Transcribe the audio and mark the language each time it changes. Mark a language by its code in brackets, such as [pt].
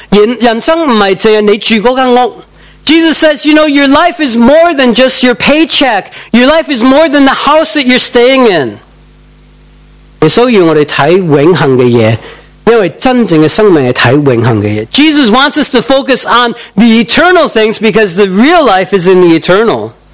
[zh] 耶稣叫我们不要担心这些，人生不是单单这些，你的人生不是只是你出粮的有多少个人工，人生不是只是你住那间屋。Jesus [en] says, you know, your life is more than just your paycheck. Your life is more than the house that you're staying in. [zh] 耶稣要我们看永恒的东西，因为真正的生命是看永恒的东西。 [en] Jesus wants us to focus on the eternal things because the real life is in the eternal.